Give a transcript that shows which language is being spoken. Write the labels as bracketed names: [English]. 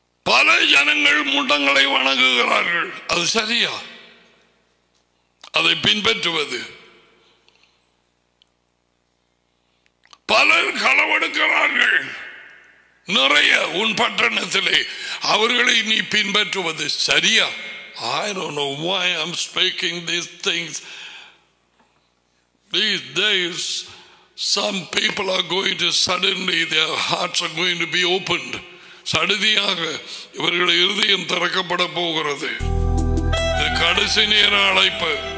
[Tamil] பல ஜனங்கள் முண்டங்களை வணங்குகிறார்கள், அது சரியா? அதை பின்பற்றுவது. பலர் களவெடுக்கிறார்கள் நிறைய உன் பட்டணத்திலே, அவர்களை நீ பின்பற்றுவது சரியா? [English] I don't know why I'm speaking these things. These days, some people are going to suddenly, their hearts are going to be opened. [Tamil] சடுதியாக இவர்கள் இருதயம் திறக்கப்பட போகிறது. இது கடைசி நேர அழைப்பு.